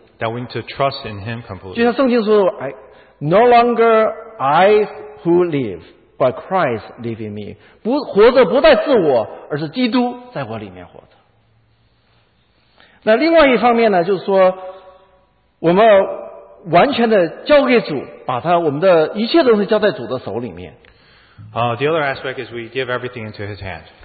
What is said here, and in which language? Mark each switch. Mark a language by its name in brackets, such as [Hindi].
[English] that we need to trust in Him completely. [Chinese] 就像圣经说, [English] no longer I who live, but Christ live in me. [Chinese] 活着不再自我, 而是基督在我里面活着。那另外一方面呢, 就是说, 我们完全的交给主, 把他我们的一切东西交在主的手里面。 [English] The other aspect is we give everything into His hand.